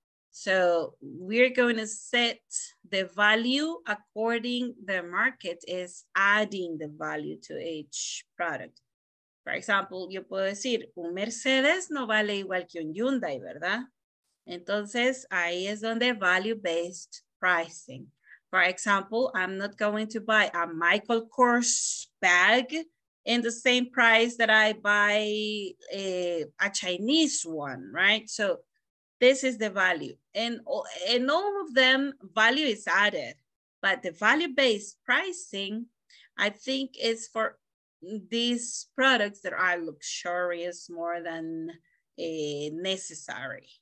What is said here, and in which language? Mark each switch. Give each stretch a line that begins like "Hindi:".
English: So we're going to set the value according the market is adding the value to each product. For example,
Spanish: yo puedo decir, un Mercedes no vale igual que un Hyundai, ¿verdad? Entonces, ahí es donde value-based pricing.
English: For example, I'm not going to buy a Michael Kors bag in the same price that I buy a Chinese one, right? So this is the value. And in all of them, value is added, but the value-based pricing, I think, is for these products that are luxurious more than necessary.